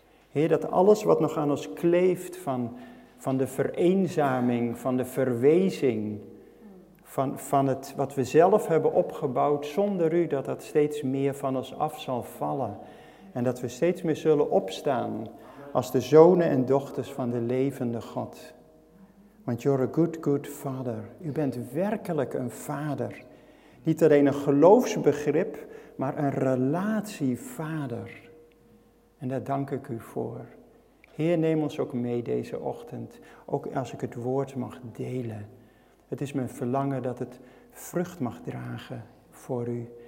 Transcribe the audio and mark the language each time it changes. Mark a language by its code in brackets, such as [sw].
[nl] Heer, dat alles wat nog aan ons kleeft van de vereenzaming, van de verwezing, van het wat we zelf hebben opgebouwd zonder u, dat dat steeds meer van ons af zal vallen. En dat we steeds meer zullen opstaan als de zonen en dochters van de levende God. Want [en] you're a good, good father. [nl] U bent werkelijk een vader. Niet alleen een geloofsbegrip, maar een relatievader. En daar dank ik u voor. Heer, neem ons ook mee deze ochtend, ook als ik het woord mag delen. Het is mijn verlangen dat het vrucht mag dragen voor u.